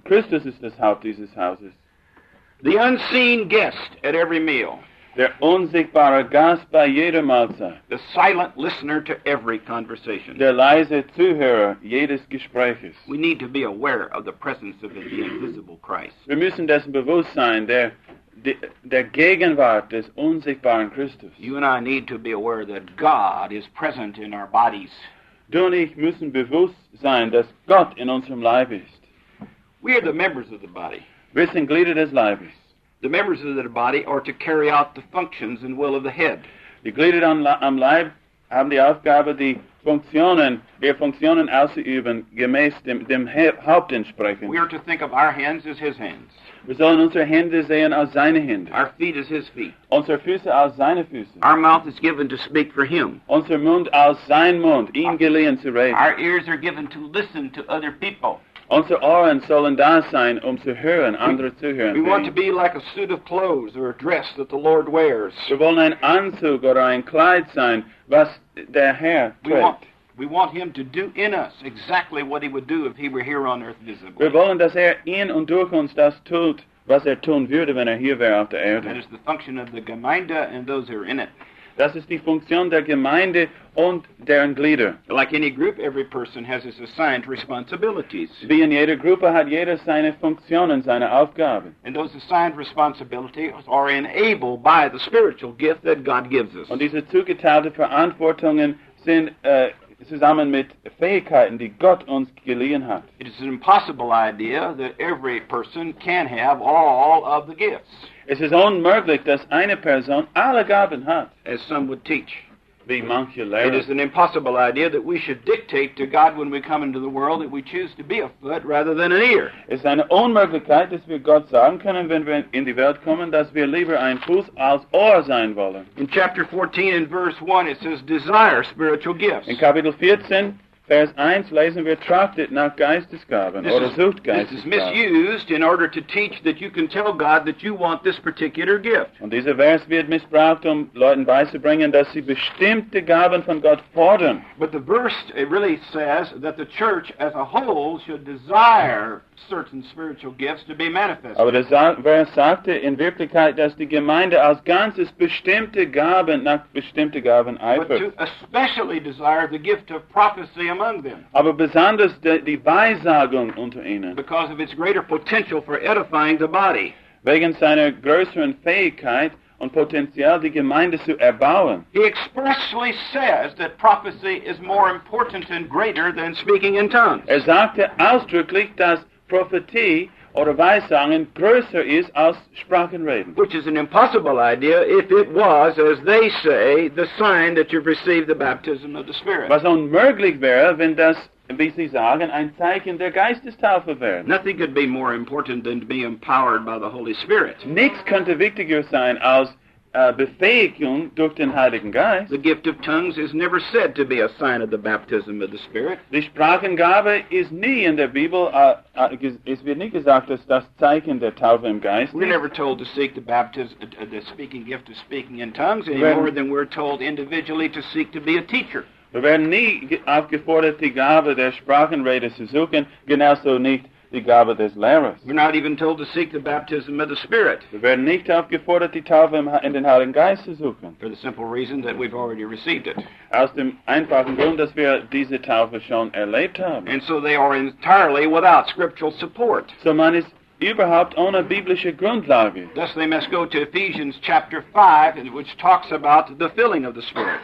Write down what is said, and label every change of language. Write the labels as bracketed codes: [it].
[de] Christus ist das Haupt dieses Hauses. [en] The unseen guest at every meal. [de] Der unsichtbare Gast bei jeder Mahlzeit. [en] The silent listener to every conversation. [de] Der leise Zuhörer jedes Gespräches. [en] We need to be aware of the presence of the invisible Christ. [de] Wir müssen dessen bewusst sein, der Gegenwart des unsichtbaren Christus. [en] You and I need to be aware that God is present in our bodies. [de] Du und ich müssen bewusst sein, dass Gott in unserem Leib ist. [en] We are the members of the body. [de] Wir sind Glieder des Leibes. [en] The members of the body are to carry out the functions and will of the head. [de] Die Glieder am Leib haben die Aufgabe, die Funktionen auszuüben, gemäß dem Haupt entsprechend. [en] We are to think of our hands as his hands. [de] Wir sollen unsere Hände sehen als seine Hände. [en] Our feet as his feet. [de] Unsere Füße als seine Füße. [en] Our mouth is given to speak for him. [de] Unser Mund als sein Mund, ihm geliehen zu reden. [en] Our ears are given to listen to other people. [de] Unsere Ohren sollen da sein, zu hören, andere zu hören. [en] We want to be like a suit of clothes or a dress that the Lord wears. [de] Wir wollen ein Anzug oder ein Kleid sein, was der Herr trägt. [en] We want him to do in us exactly what he would do if he were here on earth visibly. [de] Wir wollen, dass er in und durch uns das tut, was er tun würde, wenn er hier wäre auf der Erde. [en] That is the function of the Gemeinde and those who are in it. [de] Das ist die Funktion der Gemeinde und deren Glieder. [en] Like any group, every person has his assigned responsibilities. [de] Wie in jeder Gruppe hat jeder seine Funktionen, seine Aufgaben. [en] And those assigned responsibilities are enabled by the spiritual gift that God gives us. [de] Und diese zugeteilte Verantwortungen sind zusammen mit Fähigkeiten, die Gott uns geliehen hat. [en] It is an impossible idea that every person can have all of the gifts. [de] Es ist unmöglich, dass eine Person alle Gaben hat. [en] As some would teach. [de] Wie manche lehren. [en] It is an impossible idea that we should dictate to God when we come into the world that we choose to be a foot rather than an ear. [de] Es ist eine Unmöglichkeit, dass wir Gott sagen können, wenn wir in die Welt kommen, dass wir lieber ein Fuß als Ohr sein wollen. [en] In chapter 14 in verse 1 it says desire spiritual gifts. [de] In Kapitel 14 Vers 1 lesen wir, trachtet nach Geistesgaben [en] this [de] oder sucht Geistesgaben. [en] This is misused in order to teach that you can tell God that you want this particular gift. [de] Und dieser Vers wird missbraucht, Leuten beizubringen, dass sie bestimmte Gaben von Gott fordern. [en] But the verse, it really says that the church as a whole should desire certain spiritual gifts to be manifested. [de] Aber der Vers sagte in Wirklichkeit, dass die Gemeinde als Ganzes bestimmte Gaben nach bestimmte Gaben eifert. [en] But to especially desire the gift of prophecy among them. [de] Aber besonders die Weissagung unter ihnen. [en] Because of its greater potential for edifying the body. [de] Wegen seiner größeren Fähigkeit und Potenzial, die Gemeinde zu erbauen. [en] He expressly says that prophecy is more important and greater than speaking in tongues. [de] Er sagte ausdrücklich, dass Prophetie oder Weissagen größer ist als Sprachenreden. [en] Which is an impossible idea if it was, as they say, the sign that you've received the baptism of the Spirit. [de] Was unmöglich wäre, wenn das, wie sie sagen, ein Zeichen der Geistestaufe wäre. [en] Nothing could be more important than to be empowered by the Holy Spirit. [de] Nichts könnte wichtiger sein als Befähigung durch den Heiligen Geist. [en] The gift of tongues is never said to be a sign of the baptism of the Spirit. [de] Die Sprachengabe ist nie in der Bibel, es wird nie gesagt, dass das Zeichen der Taufe im Geist ist. [en] We're never told to seek the baptism, the speaking gift of speaking in tongues any more than we're told individually to seek to be a teacher. [de] Wir werden nie aufgefordert, die Gabe der Sprachenrede zu suchen, genauso nicht die Gabe des Lehrers. [en] We're not even told to seek the baptism of the Spirit. [de] Wir werden nicht aufgefordert, die Taufe in den Heiligen Geist zu suchen. [en] For the simple reason that we've already received it. [de] Aus dem einfachen Grund, dass wir diese Taufe schon erlebt haben. [en] And so they are entirely without scriptural support. [de] So man ist überhaupt ohne biblische Grundlage. [en] Thus they must go to Ephesians chapter 5, which talks about the filling of the Spirit.